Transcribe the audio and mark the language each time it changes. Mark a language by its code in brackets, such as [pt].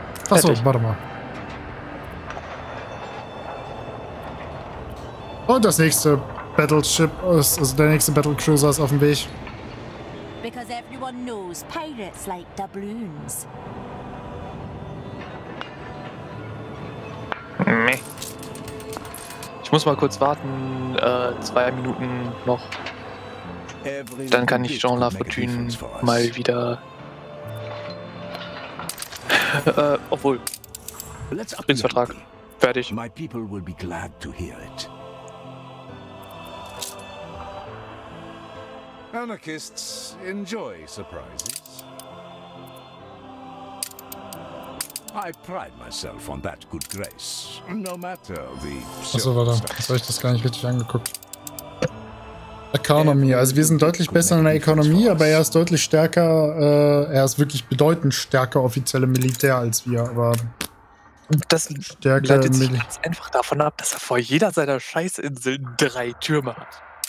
[de] Achso, warte mal. Und das nächste Battleship ist, also der nächste Battlecruiser ist auf dem Weg. [en] Because everyone knows pirates like doubloons. [de] Ich muss mal kurz warten, 2 Minuten noch. Dann kann ich Jean Lafortune mal wieder. Obwohl. Friedensvertrag. Fertig. [en] My people will be glad to hear it. Anarchists enjoy surprises. I pride myself on that good grace, no matter the... [de] Achso, warte. Jetzt habe ich das gar nicht richtig angeguckt. Economy. Also wir sind deutlich besser in der Ökonomie, aber er ist deutlich stärker, er ist wirklich bedeutend stärker offiziell im Militär als wir, aber... Das stärker leitet sich ganz einfach davon ab, dass er vor jeder seiner Scheißinsel 3 Türme hat.